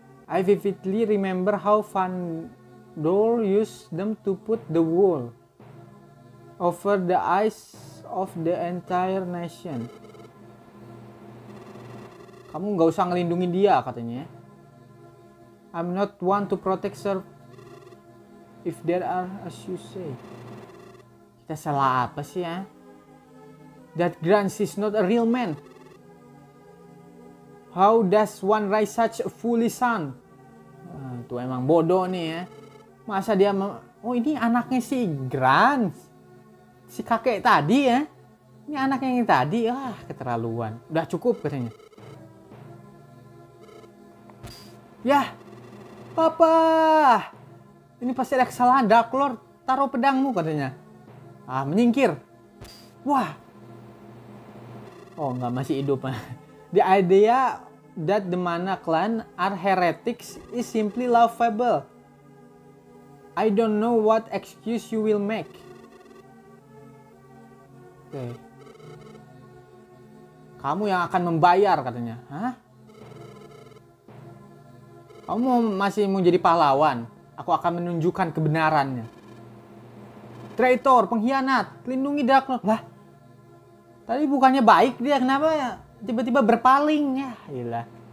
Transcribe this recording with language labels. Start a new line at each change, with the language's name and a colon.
English: I vividly remember how Van Dool used them to put the wool over the eyes of the entire nation.
Indonesian: Kamu nggak usah ngelindungin dia katanya.
English: I'm not one to protect sir. If there are as you say.
Indonesian: Kita salah apa sih ya?
English: That Grants is not a real man. How does one raise such a foolish son?
Indonesian: Itu emang bodoh nih ya. Masa dia oh ini anaknya si Grants. Si kakek tadi ya. Ini anaknya yang tadi. Ah, keterlaluan. Udah cukup katanya. Yah. Papa. Ini pasti ada kesalahan, Dark Lord. Taruh pedangmu katanya. Ah, menyingkir. Wah. Oh, enggak masih hidup.
English: The idea that the Mana Clan are heretics is simply laughable. I don't know what excuse you will make. Okay.
Indonesian: Kamu yang akan membayar katanya. Hah? Kamu masih mau jadi pahlawan? Aku akan menunjukkan kebenarannya. traitor, pengkhianat, lindungi Dracula. Lah, tadi bukannya baik dia, kenapa ya tiba-tiba berpaling? Ya, iyalah.